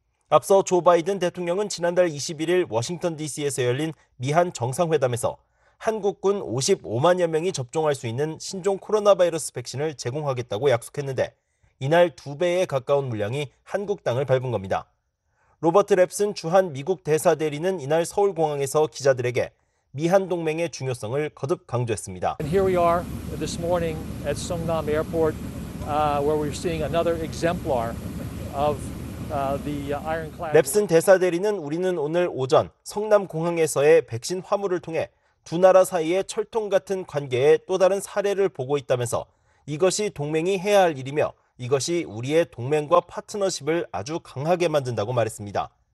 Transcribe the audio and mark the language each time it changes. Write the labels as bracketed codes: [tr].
[ko] 앞서 조 바이든 대통령은 지난달 21일 워싱턴 DC에서 열린 미한 정상회담에서 한국군 55만여 명이 접종할 수 있는 신종 코로나 바이러스 백신을 제공하겠다고 약속했는데 이날 두 배에 가까운 물량이 한국 땅을 밟은 겁니다. 로버트 랩슨 주한 미국 대사 대리는 이날 서울공항에서 기자들에게 미한 동맹의 중요성을 거듭 강조했습니다. [en] And here we are this morning at Songnam Airport where we're seeing another exemplar of the ironclad. [ko] 랩슨 대사 대리는 우리는 오늘 오전 성남 공항에서의 백신 화물을 통해 두 나라 사이의 철통 같은 관계의 또 다른 사례를 보고 있다면서 이것이 동맹이 해야 할 일이며 이것이 우리의 동맹과 파트너십을 아주 강하게 만든다고 말했습니다.